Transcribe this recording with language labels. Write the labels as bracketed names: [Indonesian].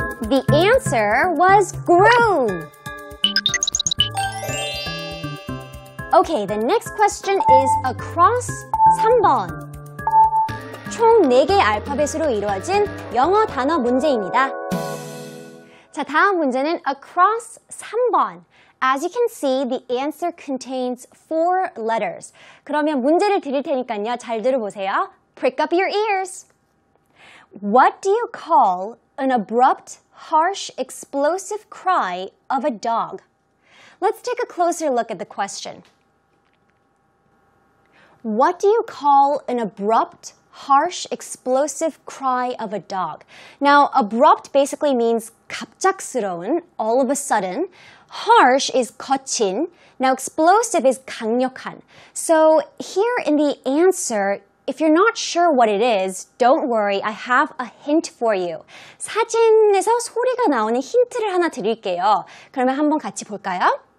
[English] The answer was groom. Okay, the next question is across 3번. [Korean] 총 4개의 알파벳으로 이루어진 영어 단어 문제입니다. 자, 다음 문제는 across 3번. [English] As you can see, the answer contains 4 letters. [Korean] 그러면 문제를 드릴 테니까요. 잘 들어보세요. [English] Prick up your ears. What do you call an abrupt, harsh, explosive cry of a dog? Let's take a closer look at the question. What do you call an abrupt, harsh, explosive cry of a dog? Now, abrupt basically means 갑작스러운, all of a sudden. Harsh is 거친. Now, explosive is 강력한. So, here in the answer, if you're not sure what it is, don't worry, I have a hint for you. [Korean] 사진에서 소리가 나오는 힌트를 하나 드릴게요. 그러면 한번 같이 볼까요?